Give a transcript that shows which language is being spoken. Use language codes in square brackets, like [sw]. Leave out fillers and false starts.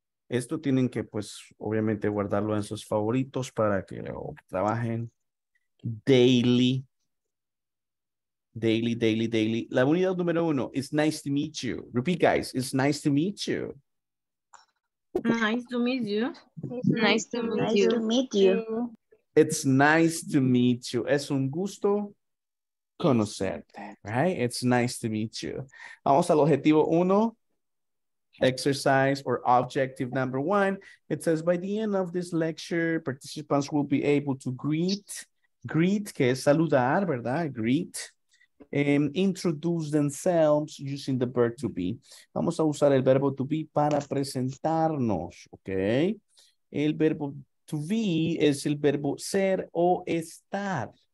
[es] Esto tienen que, pues, obviamente guardarlo en sus favoritos para que lo trabajen daily. [en] Daily, daily, daily. La unidad número uno, it's nice to meet you. Repeat, guys, it's nice to meet you. Nice to meet you. It's nice, nice to meet, nice you. Meet you. It's nice to meet you. Es un gusto conocerte, right? It's nice to meet you. Vamos al objetivo uno. Exercise or objective number one. It says by the end of this lecture, participants will be able to greet, que es saludar, ¿verdad? Greet, and introduce themselves using the verb to be. [es] Vamos a usar el verbo to be para presentarnos, okay? El verbo to be es el verbo ser o estar.